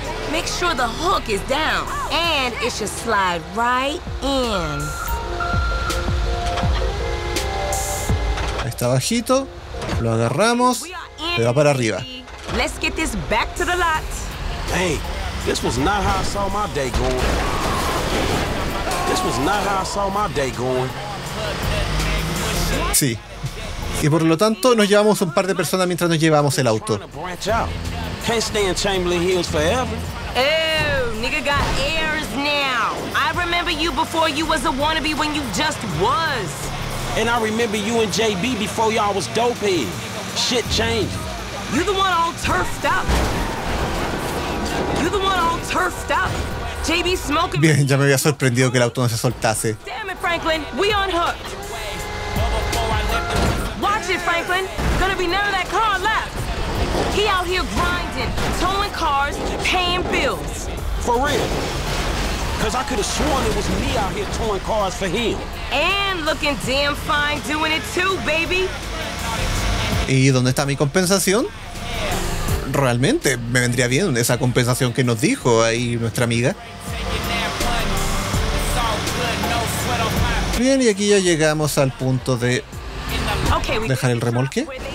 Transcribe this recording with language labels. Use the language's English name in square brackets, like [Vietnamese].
[English] Make sure the hook is down, and it should slide right in. [Spanish] Ahí está bajito, lo agarramos, se va para arriba. [English] Let's get this back to the lot. Hey, this was not how I saw my day going. This was not how I saw my day going. [Spanish] Sí. Y por lo tanto, nos llevamos un par de personas mientras nos llevamos el auto. [English] Can't stay in Chamberlain Hills forever. Oh, nigga got airs now. I remember you before you was a wannabe when you just was. And I remember you and JB before y'all was dopey. Shit changed. You the one all turfed up. You the one all turfed up. JB smoking. [Spanish] Bien, ya me había sorprendido que el auto no se soltase. [English] Damn it, Franklin. We unhooked. Watch it, Franklin. Gonna be none of that car left. He out here grinding, towing cars, paying bills. For real? Because I could have sworn it was me out here towing cars for him. And looking damn fine doing it too, baby. [Spanish] ¿Y dónde está mi compensación? Realmente me vendría bien esa compensación que nos dijo ahí nuestra amiga. Bien, y aquí ya llegamos al punto de dejar el remolque.